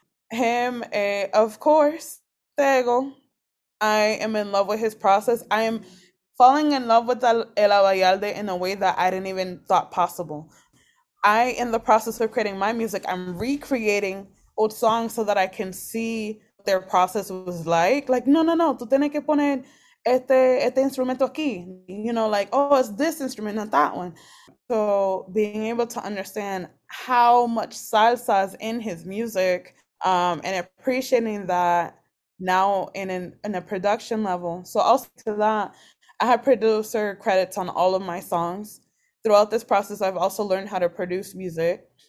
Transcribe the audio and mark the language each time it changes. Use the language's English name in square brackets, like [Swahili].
[English] Him, of course, Tego. I am in love with his process. I am falling in love with El Abayalde in a way that I didn't even thought possible. I, in the process of creating my music, I'm recreating old songs so that I can see what their process was like. [Spanish] Like, no, tú tienes que poner este instrumento aquí. [English] You know, like, oh, it's this instrument, not that one. So being able to understand how much salsa is in his music, and appreciating that, now in a production level. So also to that, I have producer credits on all of my songs. Throughout this process, I've also learned how to produce music.